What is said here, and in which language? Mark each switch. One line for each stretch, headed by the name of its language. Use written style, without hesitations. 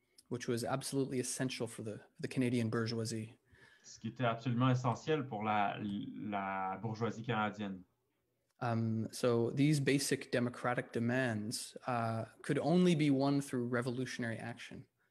English: Which was absolutely essential for the Canadian bourgeoisie.
French: Ce qui était absolument essentiel pour la bourgeoisie canadienne.
English: So these basic democratic demands could only be won through revolutionary action.